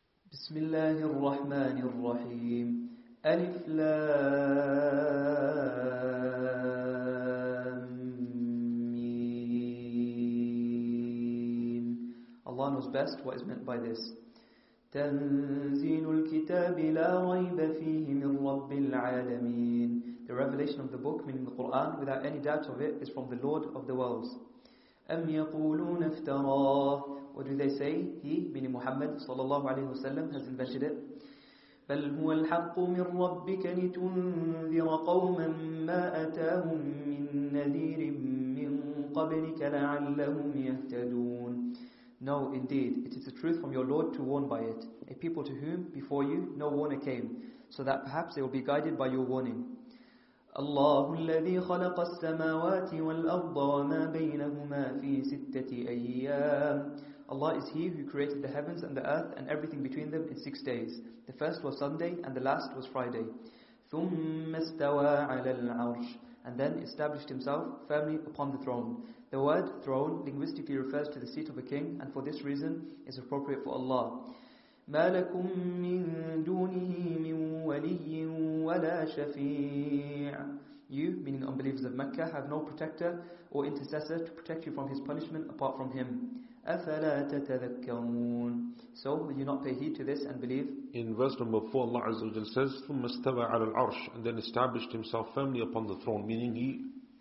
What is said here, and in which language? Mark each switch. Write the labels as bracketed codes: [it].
[ar] Bismillahir Rahmanir Rahim. Alif Lam Mim. [en] Allah knows best what is meant by this. [ar] تنزيل الكتاب لا ريب فيه من رب العالمين. [en] The revelation of the book, meaning the Quran, without any doubt of it, is from the Lord of the worlds. [ar] أم يقولون افتراه. [en] What do they say? He, meaning Muhammad [ar] صلى الله عليه وسلم, [en] has invented it. [ar] بل هو الحق من ربك لتنذر قوما ما أتاهم من نذير من قبلك لعلهم يهتدون. [en] No, indeed, it is the truth from your Lord to warn by it, a people to whom, before you, no warner came, so that perhaps they will be guided by your warning. [ar] الله الذي خلق السماوات والأرض وما بينهما في ستة أيام. [en] Allah is He who created the heavens and the earth and everything between them in 6 days. The first was Sunday and the last was Friday. [ar] ثم استوى على العرش. [en] And then established Himself firmly upon the throne. The word throne linguistically refers to the seat of a king, and for this reason is appropriate for Allah. [ar] ما لكم من دونه من ولي ولا شفيع. [en] You, meaning unbelievers of Mecca, have no protector or intercessor to protect you from his punishment apart from him. [ar] أفلا تتذكرون. [en] So, will you not pay heed to this and believe? In verse number 4, Allah Azza wa Jalla says, [ar] ثم استوى على العرش, [en] and then established himself firmly upon the throne, meaning he